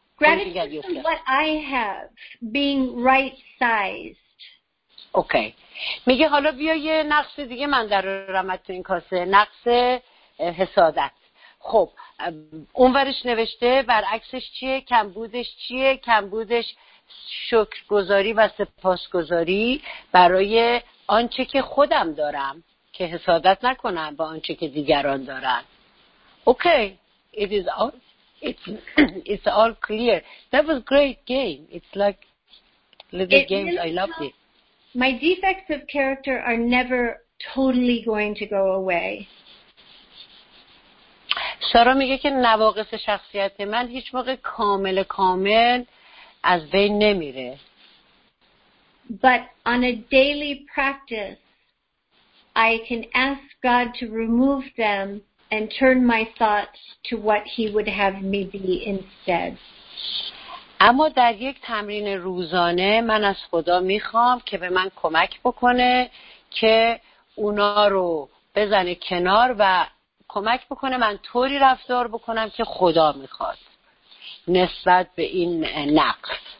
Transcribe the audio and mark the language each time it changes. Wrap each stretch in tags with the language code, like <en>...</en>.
<en>Gratitude for what I have, being right-sized.</en> <fa>اوکی. میگه حالا بیا یه نقص دیگه من در رمت تو این کاسه، نقص حسادت. خب اونورش نوشته برعکسش چیه، کمبودش چیه؟ کمبودش شکرگزاری و سپاسگزاری برای آنچه که خودم دارم، که حسادت نکنم با آنچه که دیگران دارن.</fa> <en>Okay. It's all clear. That was great game. It's like little games. I loved it. My defects of character are never totally going to go away.</en> <fa>سارا میگه که نواقص شخصیت من هیچ موقع کامل از بین نمیره.</fa> <en>But on a daily practice, I can ask God to remove them and turn my thoughts to what He would have me be instead.</en> <fa>اما در یک تمرین روزانه من از خدا میخوام که به من کمک بکنه که اونا رو بزنه کنار و کمک بکنه من طوری رفتار بکنم که خدا میخواد نسبت به این نقص.</fa>